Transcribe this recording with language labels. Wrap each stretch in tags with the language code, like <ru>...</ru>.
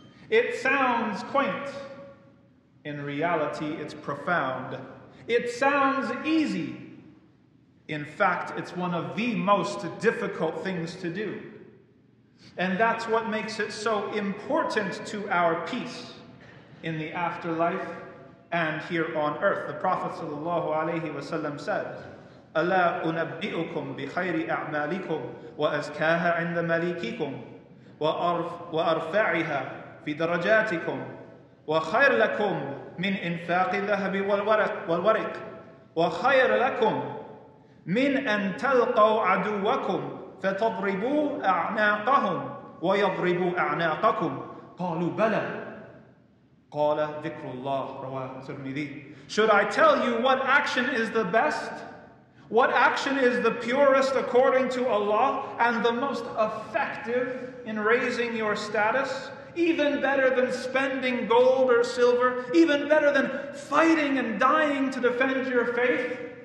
<en>It sounds quaint. In reality, it's profound. It sounds easy. In fact, it's one of the most difficult things to do. And that's what makes it so important to our peace in the afterlife and here on earth. The Prophet sallallahu alayhi wa sallam said,</en> <ar>أَلَا أُنَبِّئُكُمْ بِخَيْرِ أَعْمَالِكُمْ وَأَزْكَاهَا عِنْدَ مَلِيكِكُمْ وَأَرْفَعِهَا فِي دَرَجَاتِكُمْ وَخَيْرَ لَكُمْ مِنْ إِنْفَاقِ الذَّهَبِ وَالْوَرِقِ وَخَيْرَ لَكُمْ مِنْ أَنْ تَلْقَوْا عَدُوَّكُمْ فَتَضْرِبُوا أَعْنَاقَهُمْ وَيَضْرِبُوا أَعْنَاقَكُمْ. قَالُوا بَلَى. قَالَ ذِكْرُ اللَّهِ. رواه الترمذي.</ar> <en>Should I tell you what action is the best? What action is the purest according to Allah and the most effective in raising your status? Even better than spending gold or silver, even better than fighting and dying to defend your faith?</en>